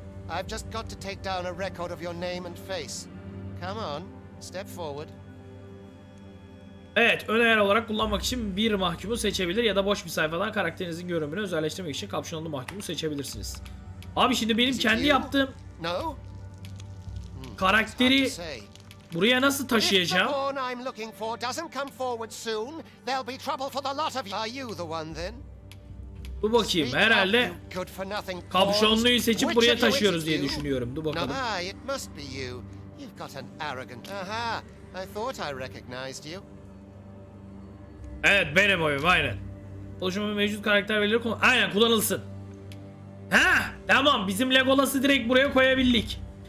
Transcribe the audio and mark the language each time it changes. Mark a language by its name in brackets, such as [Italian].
[English] I've just got to take down a record of your name and face. Come on, step forward. [Turkish] Evet, ön ayar olarak kullanmak için bir mahkumu seçebilir ya da boş bir sayfadan karakterinizin görünümünü özelleştirmek için kapşonlu mahkumu seçebilirsiniz. Abi şimdi benim kendi yaptığım karakteri buraya nasıl taşıyacağım? [English] If the one I'm looking for doesn't come forward soon, there'll be trouble for the lot of you. Are you the one then? [Turkish] Dur bakayım, herhalde kapşonluyu seçip buraya taşıyoruz diye düşünüyorum. Dur bakalım. [English] No, it must be you. You've got an arrogant. Aha, I thought I recognized you. [Turkish] Evet, benim oyum, aynen. Oluşumun mevcut karakter verileri aynen kullanılsın. Ha, tamam, bizim Legolas'ı direkt buraya koyabildik.